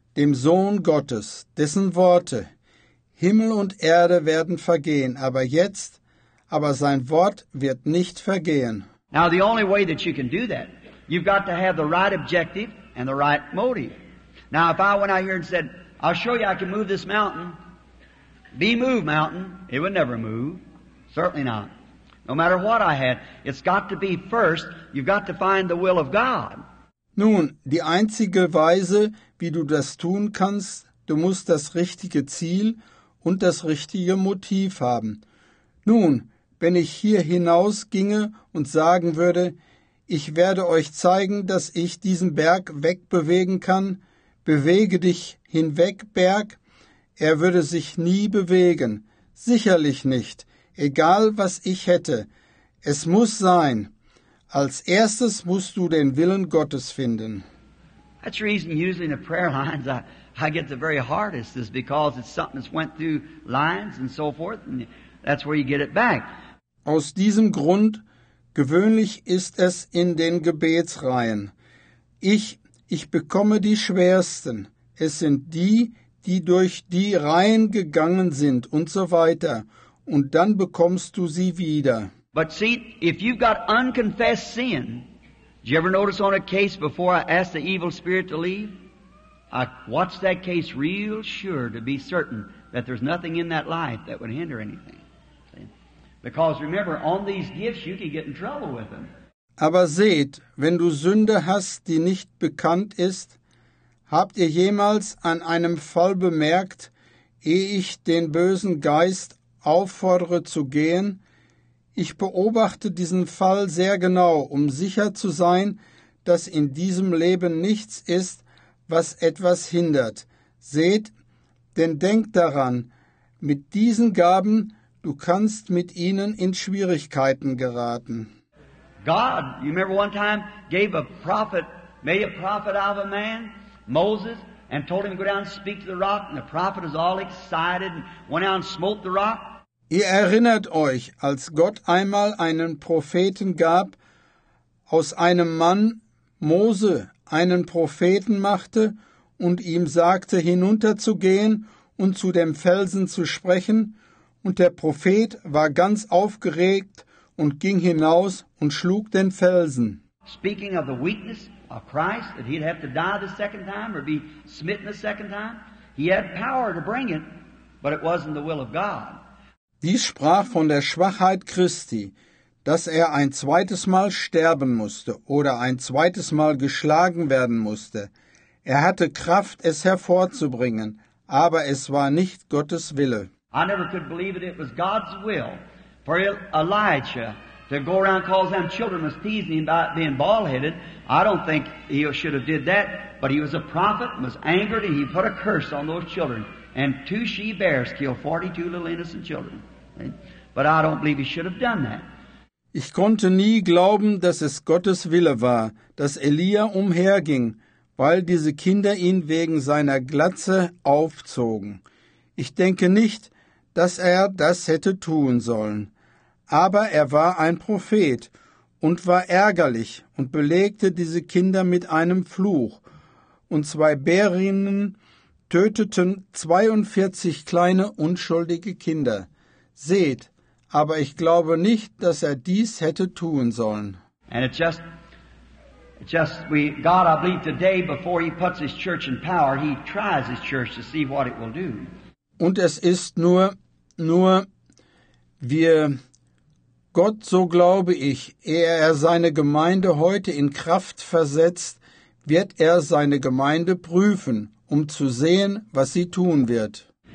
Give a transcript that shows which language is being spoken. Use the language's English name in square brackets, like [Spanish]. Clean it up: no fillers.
[German] Dem Sohn Gottes, dessen Worte. Himmel und Erde werden vergehen, aber sein Wort wird nicht vergehen. [English] Now the only way that you can do that, you've got to have the right objective and the right motive. Now if I went out here and said, I'll show you I can move this mountain. Be moved, mountain. It would never move. Certainly not. No matter what I had, it's got to be first, you've got to find the will of God. [German] Nun, die einzige Weise, wie du das tun kannst, du musst das richtige Ziel und das richtige Motiv haben. Nun, wenn ich hier hinaus ginge und sagen würde, ich werde euch zeigen, dass ich diesen Berg wegbewegen kann, bewege dich hinweg, Berg, er würde sich nie bewegen, sicherlich nicht, egal was ich hätte, es muss sein. Als erstes musst du den Willen Gottes finden. [English] That's the reason usually in the prayer lines I get the very hardest is because it's something that's went through lines and so forth and that's where you get it back. [German] Aus diesem Grund, gewöhnlich ist es in den Gebetsreihen. Ich bekomme die schwersten. Es sind die durch die Reihen gegangen sind und so weiter. Und dann bekommst du sie wieder. [English] But see, if you've got unconfessed sin, did you ever notice on a case before I asked the evil spirit to leave? I watched that case real sure to be certain that there's nothing in that life that would hinder anything. See? Because remember, on these gifts you can get in trouble with them. [German] Aber seht, wenn du Sünde hast, die nicht bekannt ist, habt ihr jemals an einem Fall bemerkt, ehe ich den bösen Geist auffordere zu gehen? Ich beobachte diesen Fall sehr genau, um sicher zu sein, dass in diesem Leben nichts ist, was etwas hindert. Seht, denn denkt daran, mit diesen Gaben, du kannst mit ihnen in Schwierigkeiten geraten. [English] God, you remember one time, gave a prophet, made a prophet out of a man, Moses, and told him to go down and speak to the rock, and the prophet was all excited and went out and smote the rock. [German] Ihr erinnert euch, als Gott einmal einen Propheten gab, aus einem Mann, Mose, einen Propheten machte und ihm sagte, hinunterzugehen und zu dem Felsen zu sprechen. Und der Prophet war ganz aufgeregt und ging hinaus und schlug den Felsen. [English] Speaking of the weakness of Christ, that he'd have to die the second time or be smitten the second time, he had power to bring it, but it wasn't the will of God. [German] Dies sprach von der Schwachheit Christi, dass er ein zweites Mal sterben musste oder ein zweites Mal geschlagen werden musste. Er hatte Kraft, es hervorzubringen, aber es war nicht Gottes Wille. [English] I never could believe it. It was God's will for Elijah to go around calling them children was teasing him about being bald-headed. I don't think he should have did that, but he was a prophet and was angered and he put a curse on those children. And two she-bears killed 42 little innocent children. But I don't believe he should have done that. [German] Ich konnte nie glauben, dass es Gottes Wille war, dass Elia umherging, weil diese Kinder ihn wegen seiner Glatze aufzogen. Ich denke nicht, dass er das hätte tun sollen. Aber er war ein Prophet und war ärgerlich und belegte diese Kinder mit einem Fluch. Und zwei Bärinnen töteten 42 kleine unschuldige Kinder. Seht, aber ich glaube nicht, dass er dies hätte tun sollen. [English] And it's just, God, I believe today, before he puts his church in power, he tries his church to see what it will do. [German] Und es ist nur, wir, Gott, so glaube ich, ehe er seine Gemeinde heute in Kraft versetzt, wird er seine Gemeinde prüfen, um zu sehen, was sie tun wird.